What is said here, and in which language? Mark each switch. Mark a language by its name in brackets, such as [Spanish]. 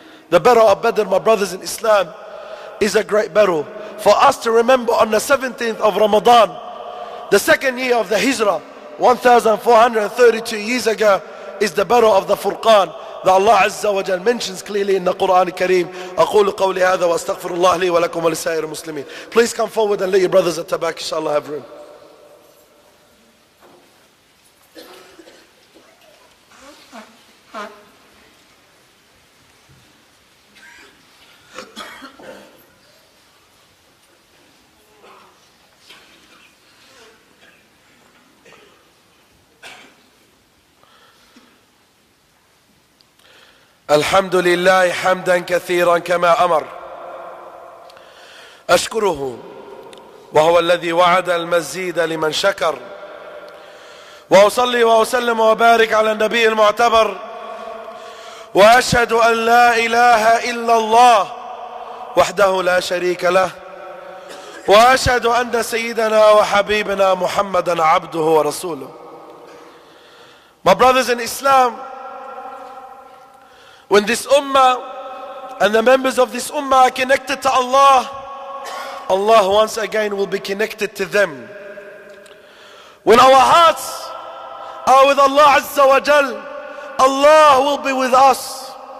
[English] The battle of Badr, my brothers in Islam, is a great battle for us to remember on the 17th of Ramadan, the second year of the Hijrah, 1,432 years ago, is the battle of the Furqan that Allah Azza wa Jal mentions clearly in the Quran Kareem. [Arabic] أقول قولي هذا واستغفر الله لي ولكم ولسائر المسلمين. [English] Please come forward and let your brothers at Tabak, inshallah, have room. [Arabic] الحمد لله حمدا كثيرا كما أمر أشكره وهو الذي وعد المزيد لمن شكر وأصلي وأسلم وبارك على النبي المعتبر وأشهد أن لا إله إلا الله وحده لا شريك له وأشهد أن سيدنا وحبيبنا محمدا عبده ورسوله. [English] My brothers in Islam, when this ummah and the members of this ummah are connected to Allah, Allah once again will be connected to them. When our hearts are with Allah Azza wa Jal, Allah will be with us.